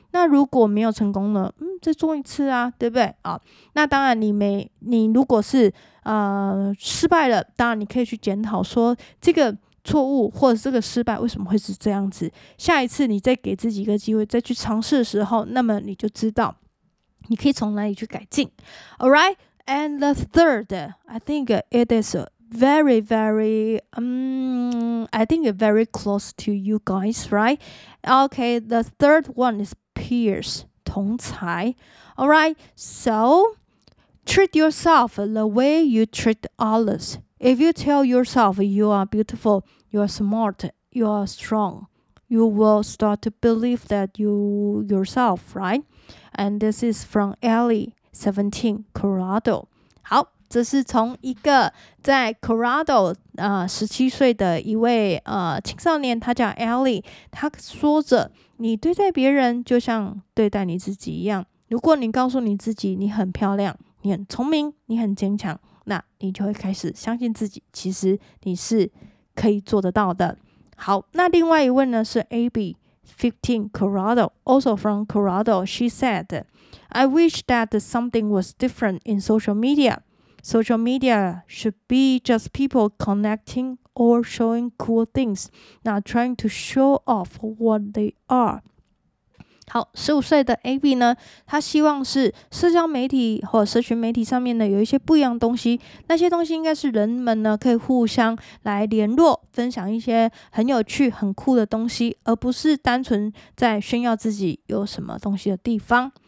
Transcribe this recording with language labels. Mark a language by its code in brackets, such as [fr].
[zh] 那如果没有成功呢？嗯，再做一次啊，对不对？啊，那当然你如果是失败了，当然你可以去检讨说这个错误或者这个失败为什么会是这样子。下一次你再给自己一个机会，再去尝试的时候，那么你就知道你可以从哪里去改进。 [en] All right, and the third, I think it is. Very, very, I think very close to you guys, right? Okay, the third one is peers, [zh] 同才. [en] All right, so treat yourself the way you treat others. If you tell yourself you are beautiful, you are smart, you are strong, you will start to believe that you yourself, right? And this is from Ellie, 17, Colorado. 好， [zh] 这是从一个在 Colorado 17岁的一位青少年，他叫 Ellie， 他说着，你对待别人就像对待你自己一样，如果你告诉你自己你很漂亮，你很聪明，你很坚强，那你就会开始相信自己，其实你是可以做得到的。好，那另外一位呢是 [en] Abby 15 Colorado， also from Colorado， she said I wish that something was different in social media. Social media should be just people connecting or showing cool things, not trying to show off what they are. [zh] 好，15岁的 AB 呢，他希望是社交媒体或社群媒体上面呢有一些不一样的东西，那些东西应该是人们呢可以互相来联络，分享一些很有趣很酷的东西，而不是单纯在炫耀自己有什么东西的地方。